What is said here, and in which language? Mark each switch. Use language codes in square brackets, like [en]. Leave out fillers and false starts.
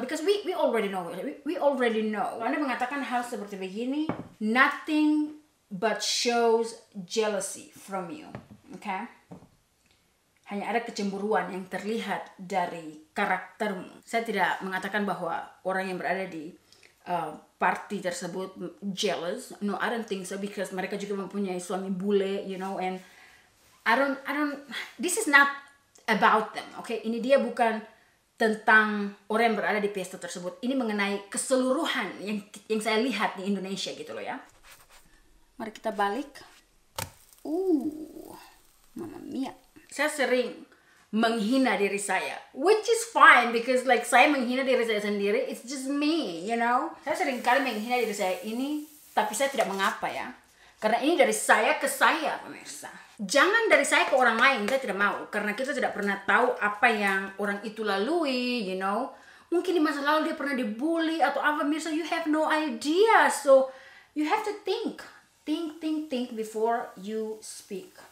[en] Because we already know. We already know. [id] Anda mengatakan hal seperti begini, [en] nothing but shows jealousy from you. Okay? [id] Hanya ada kecemburuan yang terlihat dari karaktermu. Saya tidak mengatakan bahwa orang yang berada di party tersebut jealous. [en] No, I don't think so, because [id] mereka juga mempunyai suami bule, [en] you know, and I don't, this is not about them, okay? [id] Ini dia bukan tentang orang yang berada di pesta tersebut. Ini mengenai keseluruhan yang saya lihat di Indonesia gitu loh ya. Mari kita balik. Mama Mia. Saya sering menghina diri saya, [en] which is fine, because like [id] saya menghina diri saya sendiri, [en] it's just me, you know? [id] Saya sering kali menghina diri saya ini, tapi saya tidak mengapa ya. Karena ini dari saya ke saya, pemirsa. Jangan dari saya ke orang lain, saya tidak mau. Karena kita tidak pernah tahu apa yang orang itu lalui, you know. Mungkin di masa lalu dia pernah dibully atau apa, pemirsa. [en] You have no idea. So, you have to think before you speak.